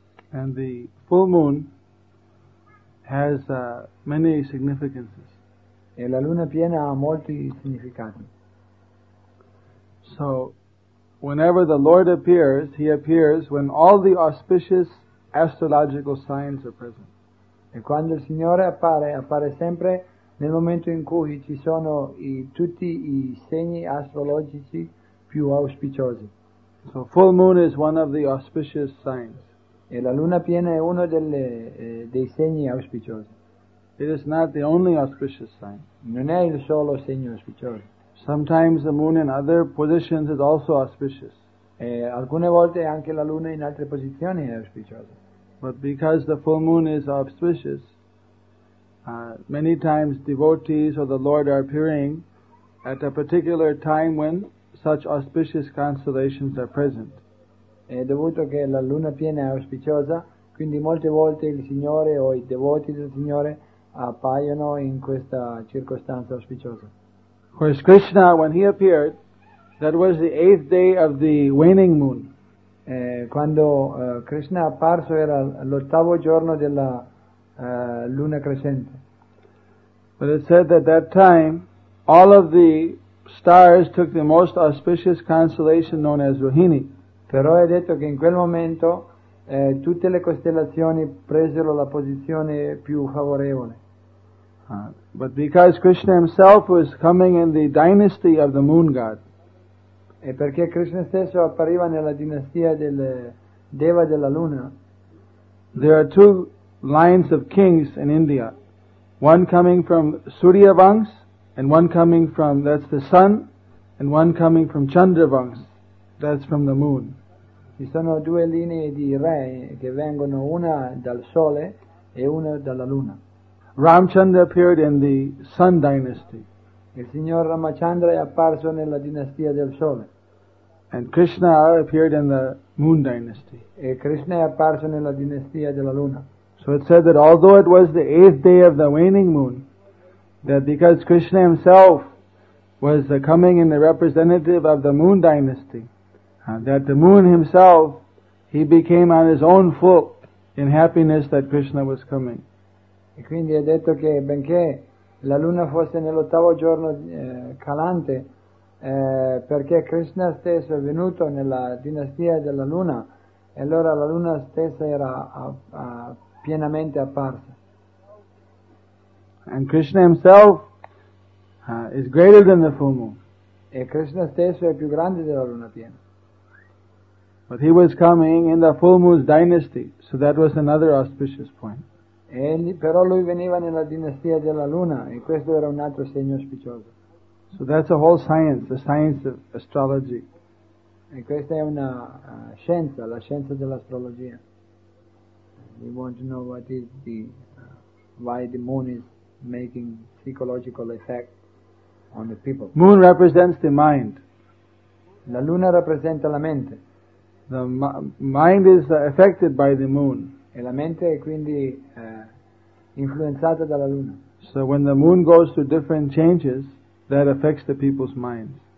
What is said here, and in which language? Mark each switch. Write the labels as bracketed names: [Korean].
[English] And the full moon has many significances. [Italian] E la luna piena ha molti significati. [English] So whenever the Lord appears, he appears when all the auspicious astrological signs are present. [Italian] E quando il Signore appare, appare sempre nel momento in cui ci sono tutti i segni astrologici più auspiciosi. [English] So full moon is one of the auspicious signs. [Italian] E la luna piena è uno dei segni auspiciosi. [English] It is not the only auspicious sign. [Italian] Non è il solo segno auspicioso. [English] Sometimes the moon in other positions is also auspicious. [Italian] E alcune volte anche la luna in altre posizioni è auspiciosa. [English] But because the full moon is auspicious, many times devotees or the Lord are appearing at a particular time when such auspicious constellations are present. [Italian] È dovuto che la luna piena è auspiciosa, quindi molte volte il Signore o i devoti del Signore appaiono in questa circostanza auspiciosa. [English] Whereas Krishna, when he appeared, that was the eighth day of the waning moon. [Italian] quando Krishna è apparso era l'ottavo giorno della luna crescente. [English] But it said that at that time all of the stars took the most auspicious constellation known as Rohini. [Italian] Però è detto che in quel momento tutte le costellazioni presero la posizione più favorevole. [English] But because Krishna himself was coming in the dynasty of the moon god. [Italian] E perché Krishna stesso appariva nella dinastia del Deva della Luna. [English] There are two lines of kings in India. One coming from Surya Vangs, and one coming from, that's the sun, and one coming from Chandra Vangs, that's from the moon. [Italian] Ci sono due linee di re che vengono, una dal sole e una dalla luna. [English] Ramchandra appeared in the sun dynasty. [Italian] Il signor Ramachandra è apparso nella dinastia del sole. [English] And Krishna appeared in the moon dynasty. [Italian] E Krishna è apparso nella dinastia della luna. [English] So it said that although it was the eighth day of the waning moon, that because Krishna himself was the coming in the representative of the moon dynasty, that the moon himself, he became on his own foot in happiness that Krishna was coming. [Italian] E quindi è detto che benché la luna fosse nell'ottavo giorno calante, perché Krishna stesso è venuto nella dinastia della luna, e allora la luna stessa era pienamente apparsa. [English] And Krishna himself is greater than the full moon. [Italian] E Krishna stesso è più grande della luna piena. [English] But he was coming in the full moon's dynasty, so that was another auspicious point. [Italian] Però lui veniva nella dinastia della luna, e questo era un altro segno auspicioso. [English] So that's a whole science, the science of astrology. [Italian] E questa è una scienza, la scienza dell'astrologia. [English] We want to know what is the why the moon is making psychological effect on the people. Moon represents the mind. [Italian] La luna rappresenta la mente. [English] The mind is affected by the moon. [Italian] E la mente è quindi influenzata dalla luna. [English] So when the moon goes through different changes, that affects the people's minds.